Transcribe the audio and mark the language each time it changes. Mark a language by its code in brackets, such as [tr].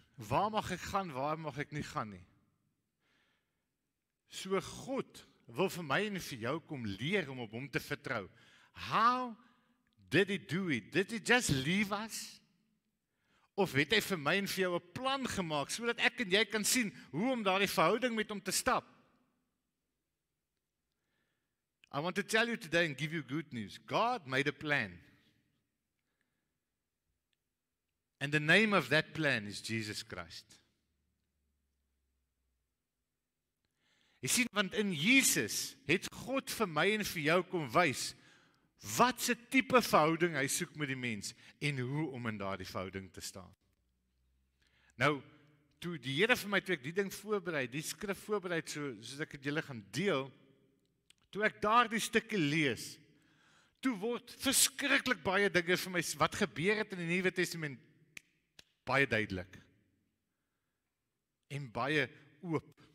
[af] Waar mag ek gaan, waar mag ek nie gaan nie? So God wil vir my en vir jou kom leer om op hom te vertrou. [en] How did he do it? Did he just leave us? [af] Of het hy vir my en vir jou 'n plan gemaak, so dat ek en jy kan sien hoe om daar die verhouding met hom te stap? [en] I want to tell you today and give you good news. God made a plan. And the name of that plan is Jesus Christ. [af] Jy sien, want in Jesus het God vir my en vir jou kom wys wat se type verhouding hy soek met die mens en hoe om in daardie verhouding te staan. Nou, toe die Here vir my, toe ek die ding voorberei, die skrif voorberei, soos ek het julle gaan deel, toe ek daar die stukkie lees, toe word verskriklik baie dinge vir my, wat gebeur het in die Nuwe Testament, baie duidelik en baie oop.